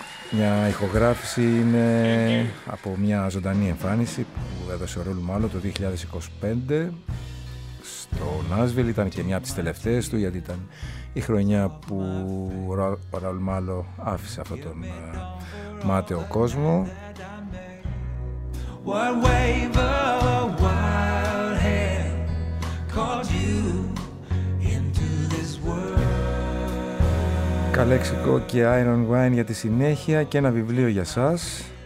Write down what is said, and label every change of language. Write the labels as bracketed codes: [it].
[el] Μια ηχογράφηση είναι από μια ζωντανή εμφάνιση που έδωσε ο Ραούλ Μάλο το 2025 στο Νάσβιλ. Ήταν και μια από τις τελευταίες του, γιατί ήταν η χρονιά που ο Ραούλ Μάλο άφησε αυτόν τον μάταιο κόσμο. [en] One wave of a wild hand called you into this world. [el] Καλέξικο και Iron Wine για τη συνέχεια και ένα βιβλίο για σας.